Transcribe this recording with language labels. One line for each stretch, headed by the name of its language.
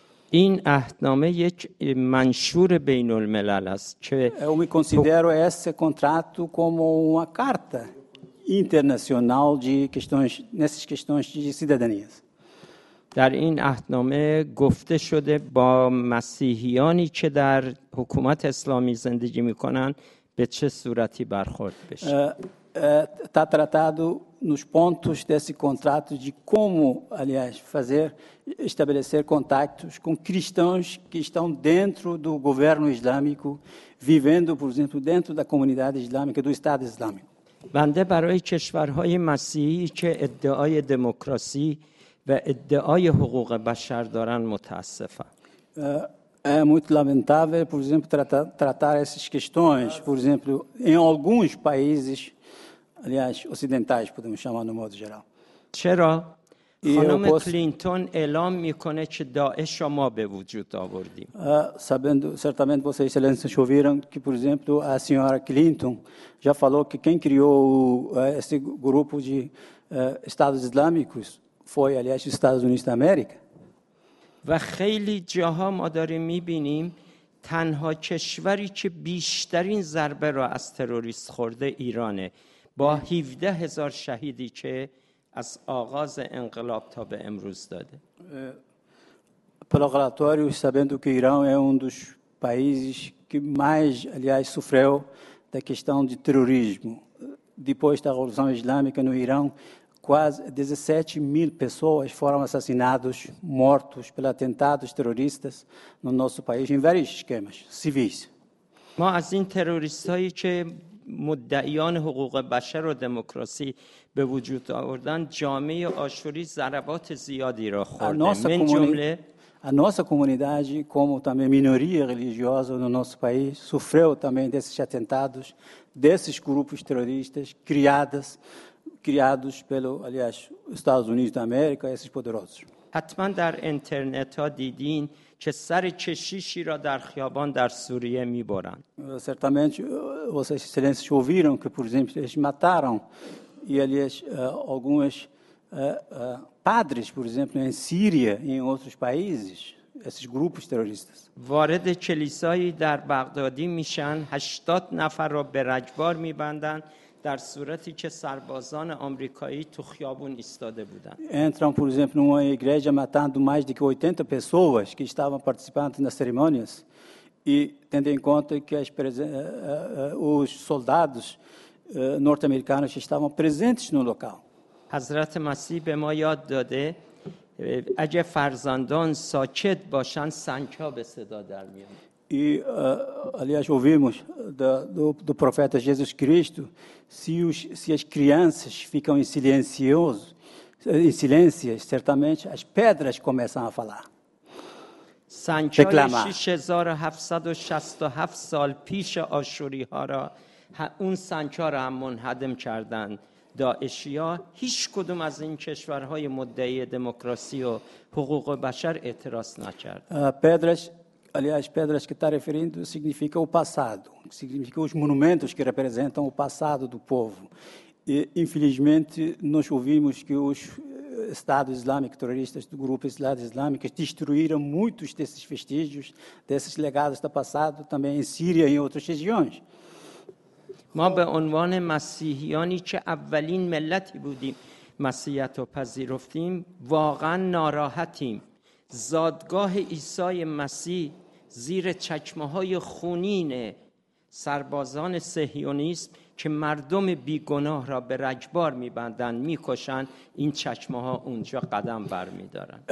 Persian: این عهدنامه یک منشور بین الملل است که
Portuguese: eu me considero esse contrato como uma carta internacional de questões nessas questões de cidadania.
Persian: در این عهدنامه گفته شده با مسیحیانی که در حکومت اسلامی زندگی میکنن به چه صورتی برخورد بشه.
Portuguese: Está tratado nos pontos desse contrato de como, aliás, fazer, estabelecer contactos com cristãos que estão dentro do governo islâmico, vivendo, por exemplo, dentro da comunidade islâmica, do Estado Islâmico.
Persian: بنده برای کشورهای مسیحی که ادعای دموکراسی و ادعای حقوق بشر دارن متاسفم.
Portuguese: É muito lamentável, por exemplo, tratar essas questões, por exemplo, em alguns países, aliás, ocidentais, podemos chamar no modo geral.
Persian: چرا؟ خانم کلینتون اعلام میکنه که داعش شما به وجود آوردیم.
Portuguese: Sabendo, certamente vocês, excelências, ouviram que, por exemplo, a senhora Clinton já falou que quem criou esse grupo de Estados Islâmicos foi, aliás, os Estados Unidos da América.
Persian: و خیلی جاها ما داریم میبینیم تنها کشوری که بیشترین ضربه را از تروریست خورده ایرانه با 17,000 شهیدی که از آغاز انقلاب تا به امروز داده.
Portuguese: Pelo relatório, sabendo que Irã é um dos países que mais, aliás, sofreu da questão de terrorismo. Depois da Revolução Islâmica no Irã, quase 17 mil pessoas foram assassinadas, mortas por atentados terroristas no nosso país, em vários esquemas civis.
Persian: ما از این تروریست‌هایی که مدعیان حقوق بشر و دموکراسی به وجود آوردن جامعه آشوری ضربات زیادی را خورده. من جمله
Portuguese: A nossa comunidade, como também minoria religiosa no nosso país, sofreu também desses atentados, desses grupos terroristas criados pelo, aliás, Estados Unidos da América, esses poderosos.
Persian: حتما در اینترنت ها دیدین که سر کشیشی را در خیابان در سوریه میبرند.
Portuguese: Certamente vocês excelências ouviram que, por exemplo, eles mataram e aliás algumas padres, por exemplo, em Síria e em outros países, esses grupos terroristas.
Persian: وارد کلیسایی در بغدادی میشن 80 نفر را به رجبار میبندند در صورتی که سربازان آمریکایی تو خیابون ایستاده بودند.
Portuguese: Entram, por exemplo, numa igreja matando mais de 80 pessoas que estavam participando nas cerimônias e tendo em conta que os soldados norte-americanos estavam presentes no local.
Persian: حضرت مسیح به ما یاد داده اگه فرزندان ساکت باشن سنگ‌ها به صدا در میان.
Portuguese: E, aliás, ouvimos do profeta Jesus Cristo, se as crianças ficam em silêncio, certamente as pedras começam a falar, reclamar.
Persian: 6,767 سال پیش آشوری‌ها را اون سنگ‌ها را هم منهدم کردند. داعشی ها هیچ کدوم از این کشورهای مدعی دموکراسی و حقوق بشر اعتراض نکرد.
Portuguese: Aliás, pedras que está referindo significa o passado, significa os monumentos que representam o passado do povo. E, infelizmente, nós ouvimos que os Estados Islâmicos, terroristas do grupo Estado Islâmico, destruíram muitos desses vestígios, desses legados do passado, também em Síria e em outras regiões.
Persian: ما به عنوان مسیحیانی که اولین ملتی بودیم مسیحیت رو پذیرفتیم واقعا ناراحتیم. زادگاه عیسی مسیح زیر چکمه‌های خونین سربازان صهیونیسم که مردم بیگناه را به رجبار می‌بندند می‌کشند، این چکمه‌ها اونجا قدم برمی‌دارند.